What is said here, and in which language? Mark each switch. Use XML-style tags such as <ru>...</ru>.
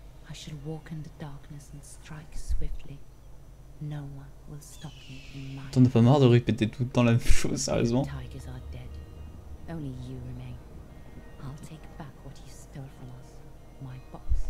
<en>I should walk in the darkness and strike swiftly. No one will stop me.</en> <fr>T'en as pas marre de répéter tout le temps la même chose, sérieusement?</fr> <en>The tigers are dead. Only you remain. I'll take back what you stole from us. My box.</en>